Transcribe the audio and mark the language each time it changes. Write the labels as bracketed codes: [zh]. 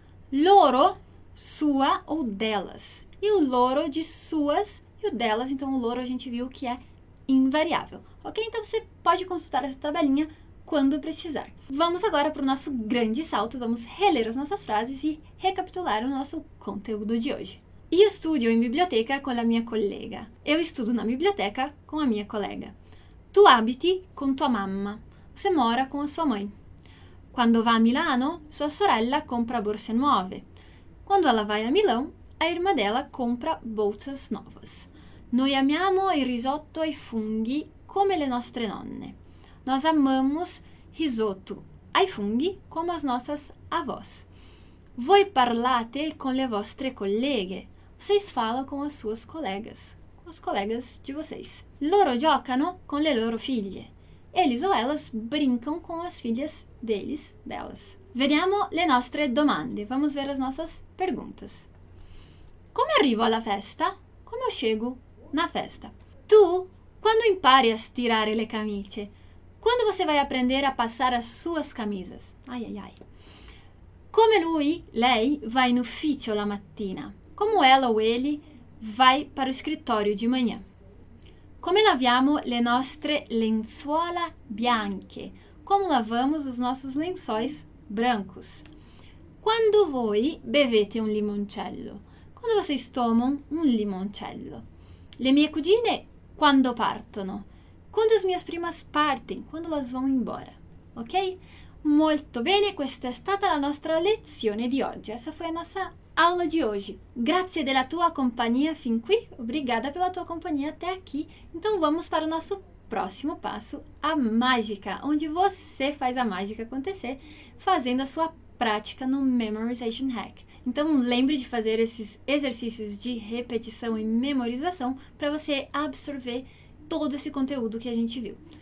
[pt] Loro, sua ou delas. E o loro, de suas e o delas. Então, o loro a gente viu que é invariável. Ok? Então, você pode consultar essa tabelinha quando precisar. Vamos agora para o nosso grande salto. Vamos reler as nossas frases e recapitular o nosso conteúdo de hoje. [it] Io studio in biblioteca con la mia collega. [pt] Eu estudo na biblioteca com a minha colega. [it] Tu abiti con tua mamma. [pt] Você mora com a sua mãe. [it] Quando va a Milano, sua sorella compra borse nuove. [pt] Quando ela vai a Milão, a irmã dela compra bolsas novas. [it] Noi amiamo il risotto ai funghi come le nostre nonne. [pt] Nós amamos risotto ai funghi come as nossas avós. [it] Voi parlate con le vostre colleghe. [pt] Vocês falam com as suas colegas, com as colegas de vocês. [it] Loro giocano con le loro figlie. [pt] Eles ou elas brincam com as filhas deles, delas. [it] Vediamo le nostre domande. [pt] Vamos ver as nossas perguntas. [it] Come arrivo alla festa? Come [pt] chego na festa? [it] Tu, quando impari a stirare le camicie? [pt] Quando você vai aprender a passar as suas camisas? Ai, ai, ai. [it] Come lui, lei, vai no ufficio la mattina? [pt] Como ela ou ele vai para o escritório de manhã? [it] Come laviamo le nostre lenzuola bianche? [pt] Como lavamos os nossos lençóis brancos? [it] Quando voi bevete un limoncello? [pt] Quando vocês tomam um limoncello? [it] Le mie cugine, quando partono? [pt] Quando as minhas primas partem, quando elas vão embora, ok? [it] Molto bene, questa è stata la nostra lezione di oggi. [pt] Essa foi a nossa aula de hoje. [it] Grazie della tua compagnia fin qui. [pt] Obrigada pela tua compagnia até aqui. Então vamos para o nosso próximo passo, a mágica, onde você faz a mágica acontecer fazendo a sua prática no Memorization Hack. Então lembre de fazer esses exercícios de repetição e memorização para você absorver todo esse conteúdo que a gente viu.